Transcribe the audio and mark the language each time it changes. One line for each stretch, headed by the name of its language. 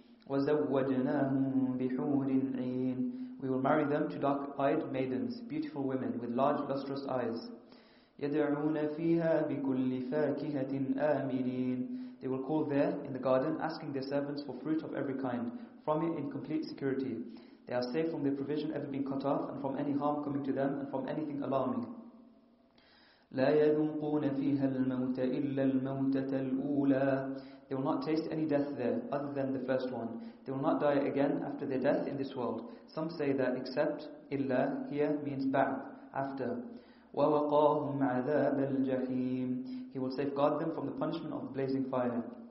Arabic: وَزَوَّجْنَاهُمْ بِحُورٍ عِينٍ.
English: We will marry them to dark-eyed maidens, beautiful women with large lustrous eyes.
Arabic: يَدْعُونَ فِيهَا بِكُلِّ فَاكِهَةٍ آمِنِينَ.
English: They will call there in the garden, asking their servants for fruit of every kind, from it in complete security. They are safe from their provision ever being cut off, and from any harm coming to them, and from anything alarming.
Arabic: لا يذوقون فيها الموت إلا الموتة الأولى.
English: They will not taste any death there other than the first one. They will not die again after their death in this world. Some say that except, إلا, here means بعد, after.
Arabic: ووقاهم عذاب الجحيم.
English: He will safeguard them from the punishment of the blazing fire.